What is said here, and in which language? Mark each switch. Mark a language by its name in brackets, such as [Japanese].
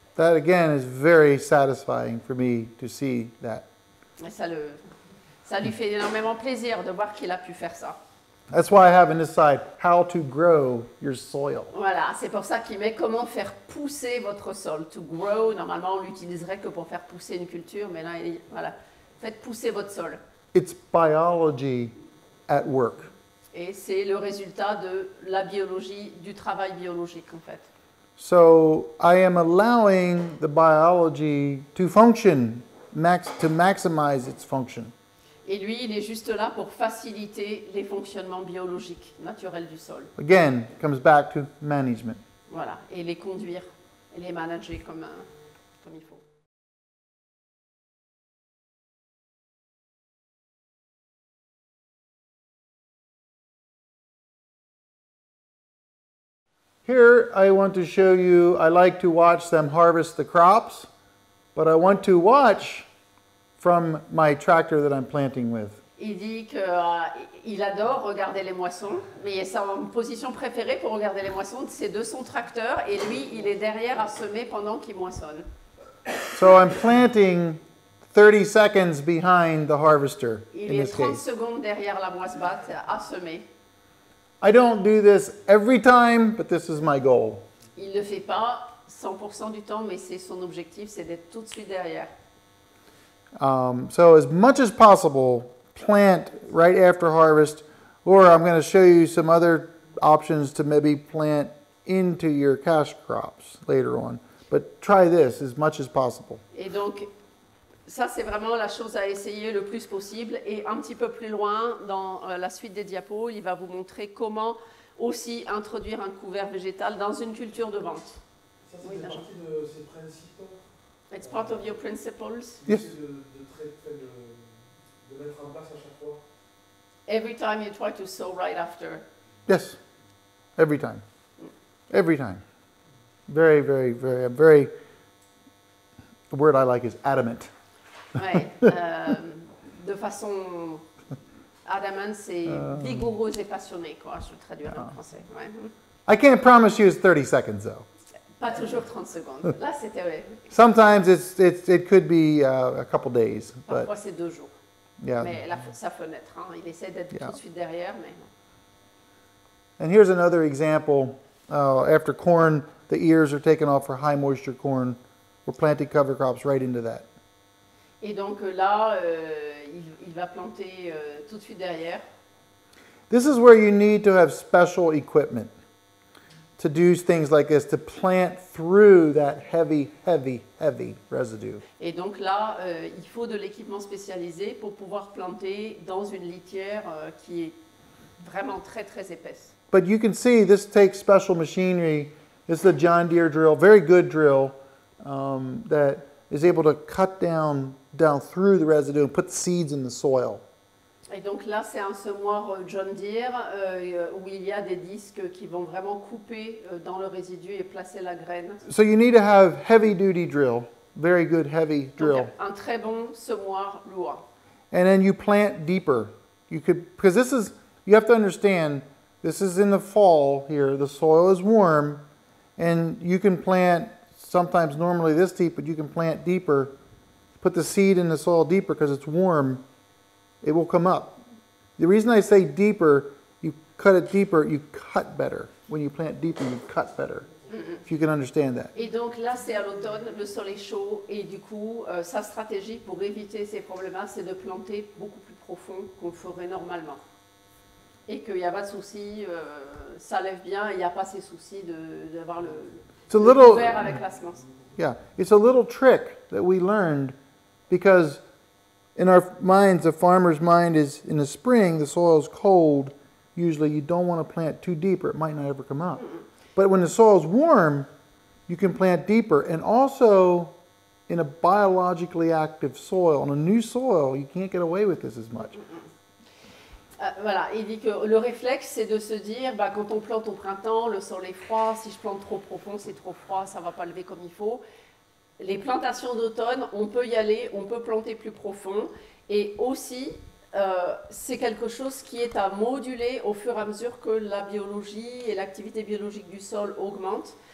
[English] That again is very satisfying for me to see that. [French] Et ça lui fait énormément plaisir de voir qu'il a pu faire ça. [English] That's why I have in this side how to grow your soil. [French] Voilà, c'est pour ça qu'il met comment faire pousser votre sol. [English] To grow, [French] normalement on l'utiliserait que pour faire pousser une culture, mais là, faites pousser votre sol. [English] It's biology. At work. [French] Et c'est le résultat de la biologie, du travail biologique, en fait. [English] So I am allowing the biology to function, to maximize its function. [French] Et lui, il est juste là pour faciliter les fonctionnements biologiques naturels du sol. [English] Again, comes back to management. [French] Voilà, et les conduire, et les manager comme il faut. [English] Here I want to show you, I like to watch them harvest the crops, but I want to watch from my tractor that I'm planting with. [French] Il dit que il adore regarder les moissons, mais sa position préférée pour regarder les moissons, c'est de son tracteur, et lui, il est derrière à semer pendant qu'il moissonne. [English] So I'm planting 30 seconds behind the harvester, in this case. [French] Il est 30 secondes derrière la moissebatte à semer. [English] I don't do this every time, but this is my goal. [French] Il ne fait pas 100% du temps, mais c'est son objectif, c'est d'être tout de suite derrière. [English] So as much as possible, plant right after harvest, or I'm going to show you some other options to maybe plant into your cash crops later on. But try this as much as possible. [French] Et donc, ça c'est vraiment la chose à essayer le plus possible. Et un petit peu plus loin, dans la suite des diapos, il va vous montrer comment aussi introduire un couvert végétal dans une culture de vente. Ça, c'est oui, partie de ces principes. [English] It's part of your principles. Yes. [French] De mettre en place à chaque fois. [English] Every time you try to sow right after. Yes. Every time. Every time. Very, very, very, very, the word I like is adamant. [French] Ouais, de façon adamant, c'est vigoureuse et passionnée, quoi, je traduis en français. Ouais. [English] I can't promise you it's 30 seconds, though. [French] Pas toujours 30 secondes. Là, c'était vrai. [English] Sometimes it could be a couple days. [French] Parfois, [English] but, [French] c'est deux jours. [English] Yeah. [French] Mais la, sa fenêtre, hein. Il essaie d'être tout de suite derrière, mais... [English] And here's another example. After corn, the ears are taken off for high moisture corn. We're planting cover crops right into that. [French] Et donc là, il va planter tout de suite derrière. [English] This is where you need to have special equipment to do things like this, to plant through that heavy, heavy, heavy residue. [French] Et donc là, il faut de l'équipement spécialisé pour pouvoir planter dans une litière qui est vraiment très, très épaisse. [English] But you can see this takes special machinery. It's the John Deere drill, very good drill, that is able to cut down through the residue and put seeds in the soil. [French] Et donc là, c'est un semoir John Deere où il y a des disques qui vont vraiment couper dans le résidu et placer la graine. [English] So you need to have heavy duty drill, very good heavy drill. [French] Donc, un très bon semoir lourd. [English] And then you plant deeper. You could, because this is, you have to understand, this is in the fall here, the soil is warm. And you can plant sometimes normally this deep, but you can plant deeper. Put the seed in the soil deeper because it's warm. It will come up. The reason I say deeper, you cut it deeper, you cut better. When you plant deeper, you cut better. Mm-hmm. If you can understand that. [French] Et donc là, c'est à l'automne, le sol est chaud. Et du coup, sa stratégie pour éviter ces problèmes, c'est de planter beaucoup plus profond qu'on ferait normalement. Et qu'il n'y a pas de soucis, ça lève bien, il n'y a pas ces soucis d'avoir le couvert avec la semence. [English] Yeah, it's a little trick that we learned because in our minds, the farmer's mind is in the spring, the soil is cold. Usually you don't want to plant too deep or it might not ever come up. Mm-hmm. But when the soil is warm, you can plant deeper. And also in a biologically active soil, in a new soil, you can't get away with this as much. Mm-hmm. [French] Voilà, il dit que le réflexe, c'est de se dire, bah, quand on plante au printemps, le sol est froid, si je plante trop profond, c'est trop froid, ça ne va pas lever comme il faut. Les plantations d'automne, on peut y aller, on peut planter plus profond. Et aussi, c'est quelque chose qui est à moduler au fur et à mesure que la biologie et l'activité biologique du sol augmentent.